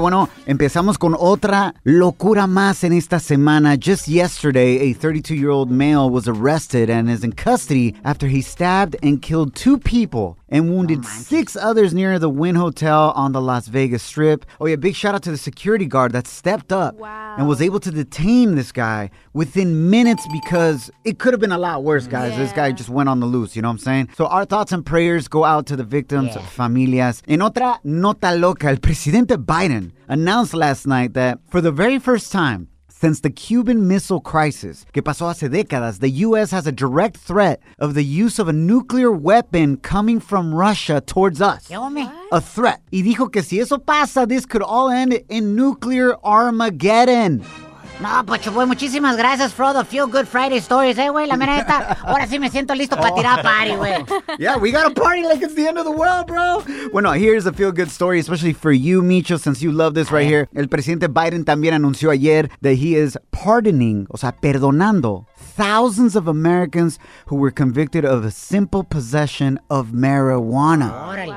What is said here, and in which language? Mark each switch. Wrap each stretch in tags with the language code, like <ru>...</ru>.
<es>Bueno, empezamos con otra locura más en esta semana.</es> <en>Just yesterday, a 32-year-old male was arrested and is in custody after he stabbed and killed two people and wounded six others near the Wynn Hotel on the Las Vegas Strip. Oh, yeah, big shout out to the security guard that stepped up and was able to detain this guy within minutes because it could have been a lot worse, guys. Yeah. This guy just went on the loose, you know what I'm saying? So our thoughts and prayers go out to the victims, familias.</en> <es>En otra nota loca, el presidente Biden</es> <en>announced last night that for the very first time since the Cuban Missile Crisis,</en> <es>que pasó hace décadas,</es> <en>the U.S. has a direct threat of the use of a nuclear weapon coming from Russia towards us. A threat.</en> <es>Y dijo que si eso pasa,</es> <en>this could all end in nuclear Armageddon.</en> <es>No, Pocho, güey, muchísimas gracias</es> <en>for all the Feel Good Friday stories, güey.</en> <es>La mera neta, ahora sí me siento listo para tirar a party, güey.</es> <en>Yeah, we got a party like it's the end of the world, bro. Bueno, here's a Feel Good story, especially for you, Micho, since you love this right here.</en> <es>El presidente Biden también anunció ayer</es> <en>that he is pardoning,</en> <es>o sea, perdonando,</es> <en>thousands of Americans who were convicted of a simple possession of marijuana. Wow.</en>